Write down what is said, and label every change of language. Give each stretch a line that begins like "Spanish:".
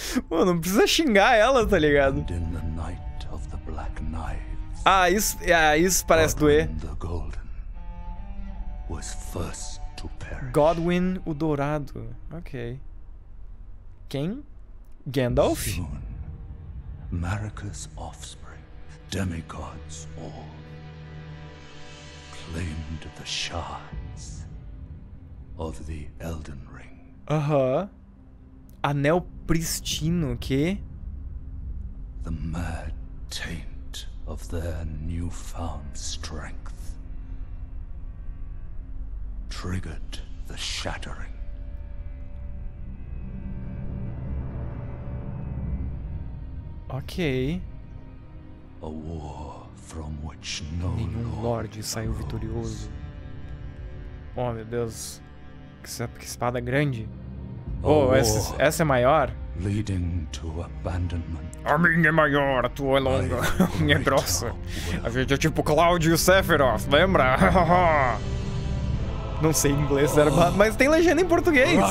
Portuguese: Mano, não precisa xingar ela, tá ligado?
English: In the night of the black knives,
Portuguese: isso parece doer.
English: The Golden was first to perish.
Portuguese: Godwin o Dourado. Ok. Quem? Gandalf? Soon.
English: Marika's offspring, demigods all, claimed the shards of the Elden Ring.
Portuguese: Uh-huh. Anel pristino, o quê?
English: The mad taint of their newfound strength triggered the shattering.
Portuguese: Ok.
English: A war from which no
Portuguese: nenhum Lorde saiu vitorioso. Oh, meu Deus. Que espada grande. Oh, essa é maior?
English: Leading to abandonment.
Portuguese: A minha é maior, a tua é longa. A minha é grossa. A gente é tipo Cláudio Sephiroth, lembra? Não sei inglês, mas tem legenda em português.